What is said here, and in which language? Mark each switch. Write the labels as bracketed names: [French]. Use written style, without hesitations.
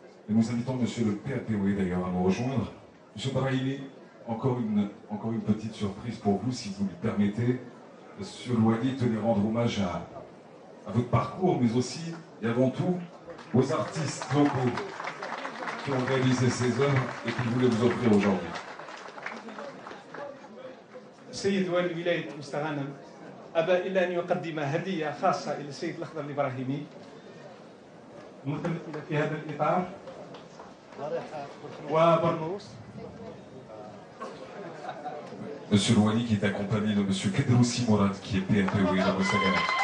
[French] Et nous invitons Monsieur le PAPOE d'ailleurs à nous rejoindre. Monsieur Brahimi, encore une petite surprise pour vous, si vous le permettez. Monsieur Le Wali tenait rendre hommage à votre parcours, mais aussi et avant tout aux artistes locaux. qui ont réalisé ces œuvres et qui voulaient vous offrir aujourd'hui. [Arabic] سيد والي ولاية مستغانم أبى إلا أن يقدم هدية خاصة إلى السيد الأخضر الإبراهيمي متمثلة في هذا الإطار وبرنوس [French] Monsieur Louani qui est accompagné de Monsieur Kedroussi Morad qui est PMP au Yéna Moussagana.